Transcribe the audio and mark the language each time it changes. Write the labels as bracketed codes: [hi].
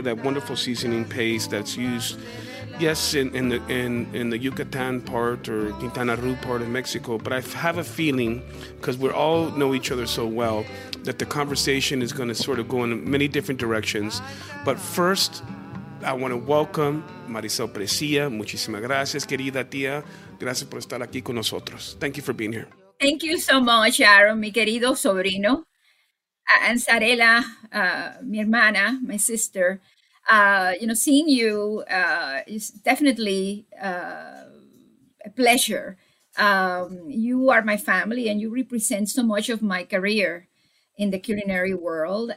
[en] That wonderful seasoning paste that's used, yes, in the Yucatan part or Quintana Roo part of Mexico. But I have a feeling, because we all know each other so well, that the conversation is going to sort of go in many different directions. But first, I want to welcome Maricel Presilla. [es] Muchísimas gracias, querida tía. Gracias por estar aquí con nosotros. [en] Thank you for being here. Thank you so much, Aaron, [es] mi querido sobrino. [en] And Sarela, [es] mi hermana, [en] my sister. You know, seeing you is definitely a pleasure. You are my family, and you represent so much of my career in the culinary world.